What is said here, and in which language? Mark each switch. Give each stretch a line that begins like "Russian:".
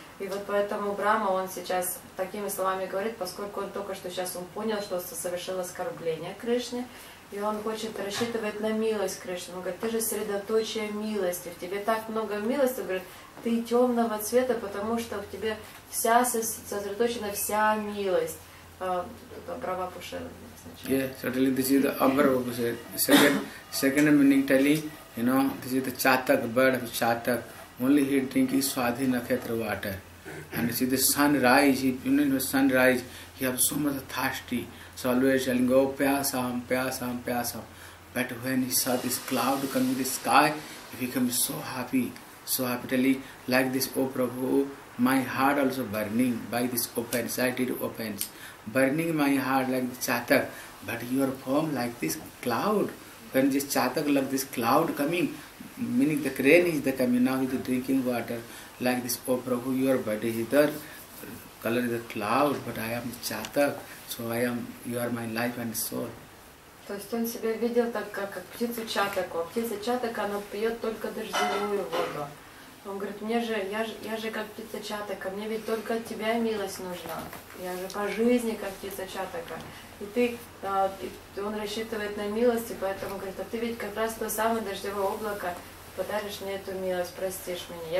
Russian: И вот поэтому Брама, он сейчас такими словами говорит, поскольку он только что сейчас он понял, что совершил оскорбление Кришне. И он хочет рассчитывать на милость Кришны. Он говорит, ты же средоточие милости. В тебе так много милости. Он говорит, ты темного цвета, потому что в тебе вся сосредоточена вся милость. Брама Пуша.
English: Yes, certainly this is the Abhra Babuse. Second meaning telling, you know, this is the Chatak, bird of Chatak. Only he drinking Swadhi Nakhetra water. And you see the sunrise, he has so much thirsty. So always telling, oh, Pyasam. But when he saw this cloud coming in the sky, he became so happy telling, like this, oh Prabhu, my heart also burning by this offense. I did offense. Burning my heart like the Chatak, but your form like this cloud. When this Chatak, like this cloud coming, meaning the rain is the coming, now with the drinking water, like this, oh Prabhu, your body is the color is the cloud, but I am Chatak, so I am, you are my life and soul.
Russian: То есть он себя видел так, как птицу Чатаку, а птица Чатак, она пьет только дождевую воду. Он говорит, я же как птица Чатака, мне ведь только от тебя милость нужна. Я же по жизни как птица Чатака. Он рассчитывает на милость, и поэтому говорит, а ты ведь как раз то самое дождевое облако подаришь мне эту милость, простишь меня.